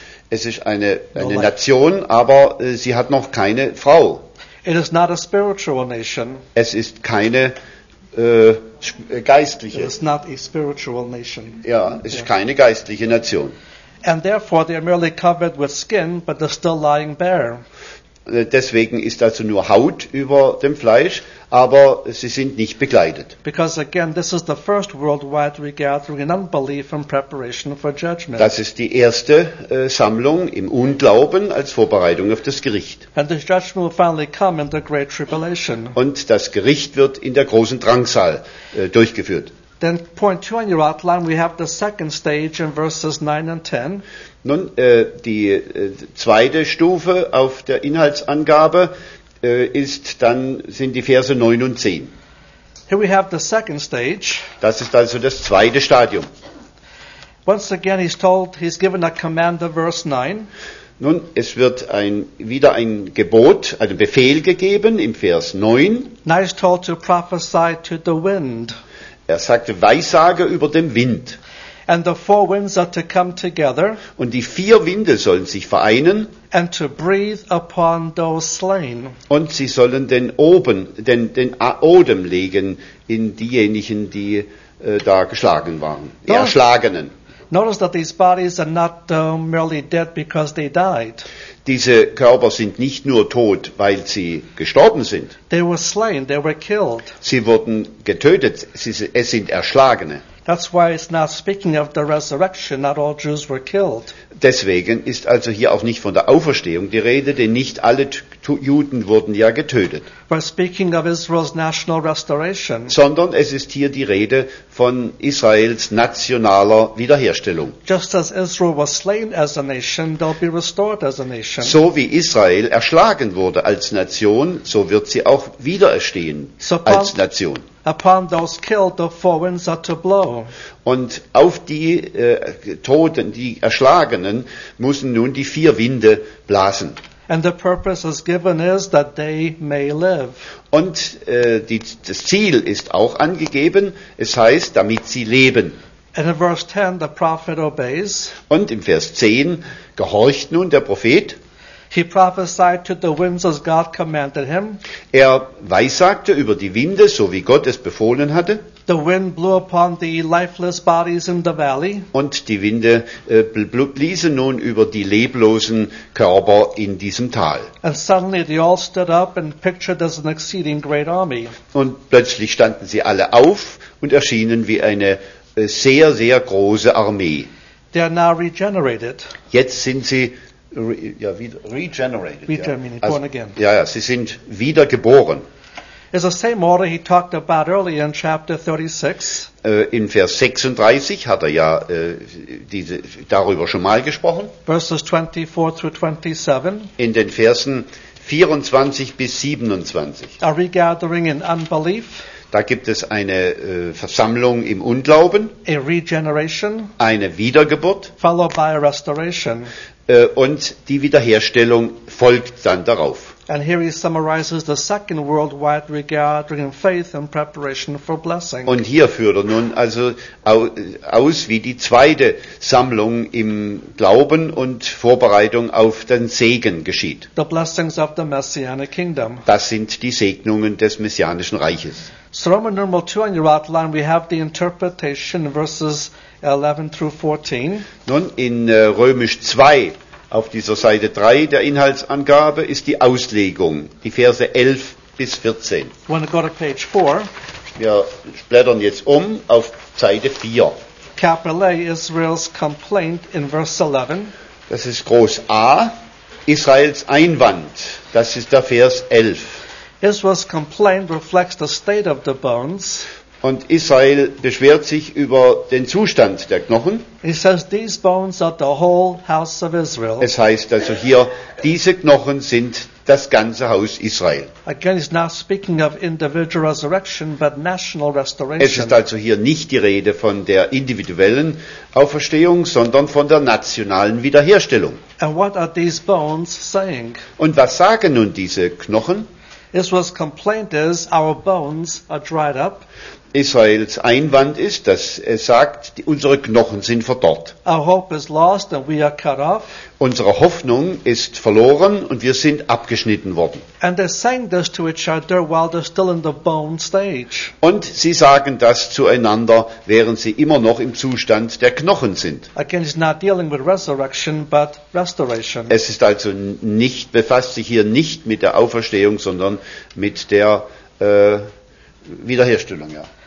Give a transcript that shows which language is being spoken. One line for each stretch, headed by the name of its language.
German: Es ist eine Nation, aber sie hat noch keine Frau.
English: It is not a spiritual nation.
German: Es ist keine geistliche.
English: It is not a spiritual nation.
German: Ja, es ist keine geistliche Nation.
English: And therefore they are merely covered with skin, but they're still lying bare.
German: Deswegen ist also nur Haut über dem Fleisch, aber sie sind nicht bekleidet.
English: Because again, this is the first worldwide regathering in unbelief and preparation for judgment.
German: Das ist die erste Sammlung im Unglauben als Vorbereitung auf das Gericht.
English: And the judgment will finally come in the great tribulation.
German: Und das Gericht wird in der großen Drangsal durchgeführt.
English: Then point 2 on your outline, we have the second stage in verses 9 and 10.
German: Nun, die zweite Stufe auf der Inhaltsangabe sind die Verse 9 und 10.
English: Here we have the second stage.
German: Das ist also das zweite Stadium.
English: Once again he's given a command in verse 9.
German: Nun, es wird wieder ein Gebot, ein Befehl gegeben im Vers 9.
English: Now he's told to prophesy to the wind.
German: Er sagte, Weissage über den Wind.
English: And the four winds are to come together.
German: Und die vier Winde sollen sich vereinen.
English: And to breathe upon those slain.
German: Und sie sollen den Odem legen in diejenigen, die da geschlagen waren, die Erschlagenen.
English: Notice that these bodies are not merely dead because they died.
German: Diese Körper sind nicht nur tot, weil sie gestorben sind.
English: They were slain, they were killed.
German: Sie wurden getötet, es sind Erschlagene.
English: That's why it's not speaking of the resurrection, not all Jews were killed.
German: Deswegen ist also hier auch nicht von der Auferstehung die Rede, denn nicht alle Juden wurden ja getötet.
English: We're speaking of Israel's national restoration.
German: Sondern es ist hier die Rede von Israels nationaler Wiederherstellung.
English: Just as Israel was slain as a nation, they'll be restored as a nation.
German: So wie Israel erschlagen wurde als Nation, so wird sie auch wiedererstehen als Nation.
English: Upon those killed, the four winds are to blow.
German: Und auf die Toten, die Erschlagenen, müssen nun die vier Winde blasen.
English: And the purpose is given is that they may live.
German: Und das Ziel ist auch angegeben, es heißt, damit sie leben.
English: And in verse 10, the prophet obeys.
German: Und im Vers 10 gehorcht nun der Prophet.
English: He prophesied to the winds as God commanded him.
German: Er weissagte über die Winde, so wie Gott es befohlen hatte.
English: The wind blew upon the lifeless bodies in the valley.
German: Und die Winde bliesen nun über die leblosen Körper in diesem Tal.
English: And suddenly they all stood up and pictured as an exceeding great army.
German: Und plötzlich standen sie alle auf und erschienen wie eine sehr, sehr große Armee.
English: They are now regenerated.
German: Jetzt sind sie
English: regenerated. Born again.
German: Ja, sie sind wiedergeboren.
English: It's the same order he talked about earlier in chapter 36.
German: In Vers 36 hat er ja darüber schon mal gesprochen.
English: Verses 24 through 27.
German: In den Versen 24 bis 27.
English: A regathering in unbelief.
German: Da gibt es eine Versammlung im Unglauben.
English: A regeneration.
German: Eine Wiedergeburt.
English: Followed by a restoration.
German: Und die Wiederherstellung folgt dann darauf.
English: And here he summarizes the second worldwide regarding faith and preparation for blessing.
German: Und hier führt er nun also aus, wie die zweite Sammlung im Glauben und Vorbereitung auf den Segen geschieht.
English: The blessings of the Messianic Kingdom.
German: Das sind die Segnungen des Messianischen Reiches.
English: So Roman numeral 2 on your outline, we have the interpretation, verses 11 through 14.
German: Nun, in Römisch 2, auf dieser Seite 3 der Inhaltsangabe, ist die Auslegung, die Verse 11 bis 14.
English: When we go to page 4,
German: wir blättern jetzt auf Seite 4.
English: Capital A, Israel's complaint in verse 11.
German: Das ist Groß A, Israels Einwand, das ist der Vers 11.
English: Israel's complaint reflects the state of the bones.
German: Und Israel beschwert sich über den Zustand der Knochen.
English: He says these bones are the whole house of Israel.
German: Es heißt also hier, diese Knochen sind das ganze Haus Israel.
English: Again, he's not speaking of individual resurrection, but national restoration.
German: Es ist also hier nicht die Rede von der individuellen Auferstehung, sondern von der nationalen Wiederherstellung.
English: And what are these bones saying?
German: Und was sagen nun diese Knochen?
English: Israel's complaint is our bones are dried up.
German: Israels Einwand ist, dass er sagt, unsere Knochen sind verdorrt.
English: Our hope is lost and we are cut off.
German: Unsere Hoffnung ist verloren und wir sind abgeschnitten worden.
English: And they're saying this to each other while they're still in the bone stage.
German: Und sie sagen das zueinander, während sie immer noch im Zustand der Knochen sind.
English: Again, it's not dealing with resurrection, but restoration.
German: Es ist also nicht, befasst sich hier nicht mit der Auferstehung, sondern mit der Wiederherstellung, ja.